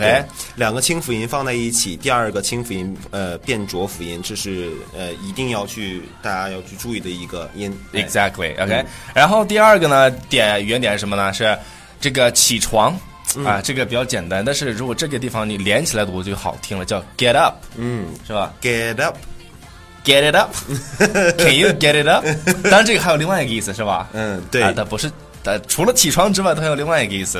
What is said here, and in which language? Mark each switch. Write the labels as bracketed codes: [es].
[zh] 对两个清辅音放在一起，第二个清辅音变浊辅音，这是一定要去大家要去注意的一个音，exactly，OK，、然后第二个呢点语言点是什么呢？是这个起床啊，这个比较简单，但是如果这个地方你连起来读就好听了，叫 [en] get up， [zh] 是吧 [en] ？get up， get it up， can you get it up？ [zh] 当然，这个还有另外一个意思，是吧？对，它不是，它除了起床之外，它有另外一个意思。